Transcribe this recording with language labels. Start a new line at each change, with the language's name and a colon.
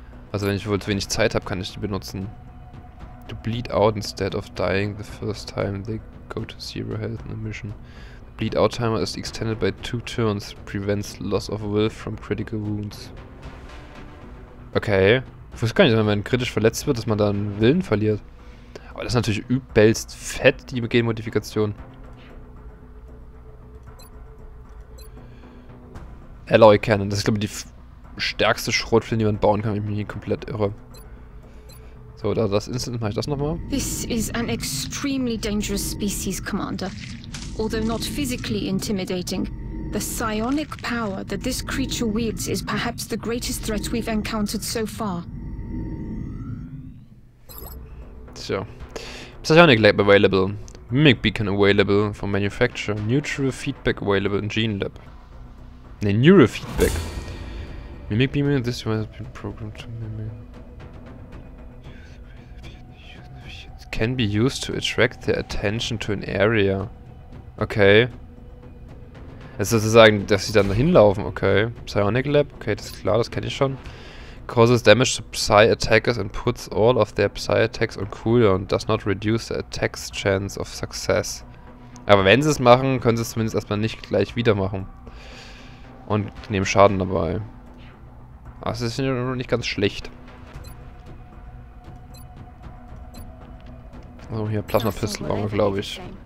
German: Also wenn ich wohl zu wenig Zeit habe, kann ich die benutzen.
English: To bleed out instead of dying the first time they go to zero health in a mission. The bleed out timer is extended by 2 turns, prevents loss of will from critical wounds. Okay.
German: Ich wusste gar nicht, wenn man kritisch verletzt wird, dass man dann Willen verliert. Aber das ist natürlich übelst fett, die Genmodifikation. Alloy-Cannon, das ist glaube ich die stärkste Schrotflinte, die man bauen kann, wenn ich mich nicht komplett irre. So, da das Instant, mache ich das nochmal.
English: This is an extremely dangerous species, Commander. Although not physically intimidating, the psionic power that this creature wields is perhaps the greatest threat we've encountered so far. Tja. Psionic Lab available. Mimic Beacon available for manufacture. Neutral Feedback available in Gene Lab. Ne, Neurofeedback. Mimic Beam, this one has been programmed to mimic. It can be used to attract their attention to an area. Okay.
German: Also sozusagen, dass sie dann hinlaufen, okay. Psionic Lab, okay, das ist klar, das kenne ich schon.
English: Causes damage to Psy attackers and puts all of their Psy attacks on cooldown. Does not reduce the attack's chance of success.
German: Aber wenn sie es machen, können sie es zumindest erstmal nicht gleich wieder machen. Und nehmen Schaden dabei. Das ist ja noch nicht ganz schlecht. So, hier Plasma Pistol bauen wir, glaube ich.